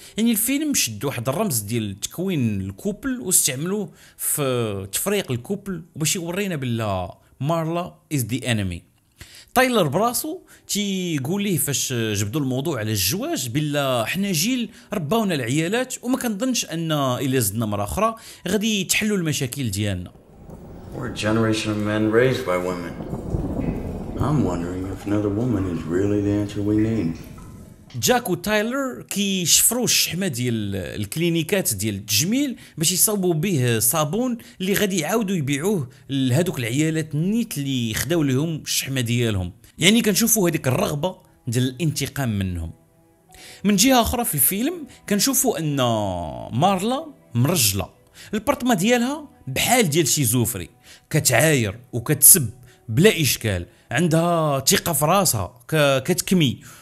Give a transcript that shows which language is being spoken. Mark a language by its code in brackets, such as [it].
[ar] يعني الفيلم شد واحد الرمز ديال تكوين الكوبل واستعملوه في تفريق الكوبل باش يورينا بالله مارلا [en] Is the anime. [ar] تايلر براسو تيقول ليه فاش جبدوا الموضوع على الزواج بالله حنا جيل ربونا العيالات وما كنظنش ان الا زدنا مره اخرى غادي تحلوا المشاكل ديالنا. [en] We're a generation of men raised by women. I'm wondering if another woman is really the answer we need. [ar] جاك وتايلر كيشفروا الشحمه ديال الكلينيكات ديال التجميل باش يصاوبوا به صابون اللي غادي يعاودوا يبيعوه لهذوك العيالات النيت اللي خداو لهم الشحمه ديالهم. يعني كنشوفوا هذيك الرغبه ديال الانتقام منهم. من جهه اخرى في الفيلم كنشوفوا ان مارلا مرجله، البارطما ديالها بحال ديال شي زوفري، كتعاير وكتسب بلا اشكال، عندها ثقه في راسها كتكمي